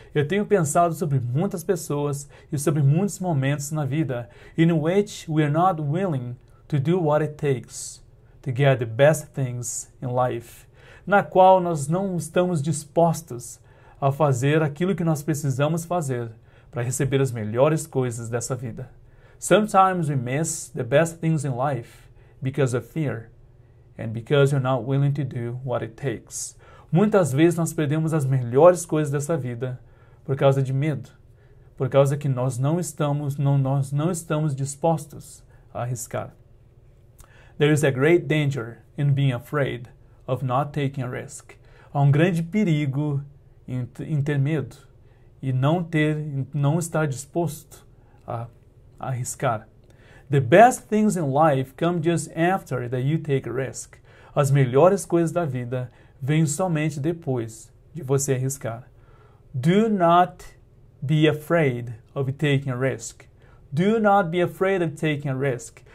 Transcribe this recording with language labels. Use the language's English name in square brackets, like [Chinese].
[Portuguese] Eu tenho pensado sobre muitas pessoas e sobre muitos momentos na vida [English] in which we are not willing to do what it takes to get the best things in life, [Portuguese] na qual nós não estamos dispostos a fazer aquilo que nós precisamos fazer para receber as melhores coisas dessa vida. [English] Sometimes we miss the best things in life because of fear and because you're not willing to do what it takes. [Portuguese] Muitas vezes nós perdemos as melhores coisas dessa vida por causa de medo, por causa que nós não estamos dispostos a arriscar. [English] There is a great danger in being afraid of not taking a risk. [Portuguese] Há um grande perigo em ter medo e não estar disposto a arriscar. [English] The best things in life come just after that you take a risk. [Portuguese] As melhores coisas da vida vêm somente depois de você arriscar. [English] Do not be afraid of taking a risk. Do not be afraid of taking a risk.